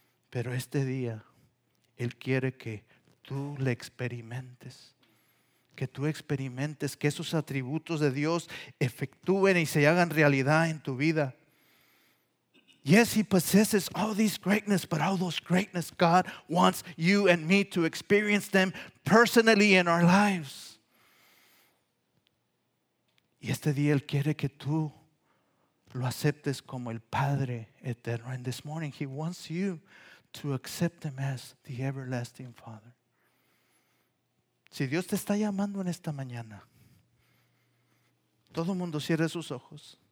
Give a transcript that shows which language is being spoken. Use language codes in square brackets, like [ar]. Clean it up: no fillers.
[es] Pero este día, Él quiere que tú le experimentes. Que tú experimentes que esos atributos de Dios efectúen y se hagan realidad en tu vida. [en] Yes, He possesses all these greatness, but all those greatness, God wants you and me to experience them personally in our lives. [es] Y este día Él quiere que tú lo aceptes como el Padre eterno. [en] And this morning He wants you to accept Him as the everlasting Father. [es] Si Dios te está llamando en esta mañana, todo mundo cierre sus ojos.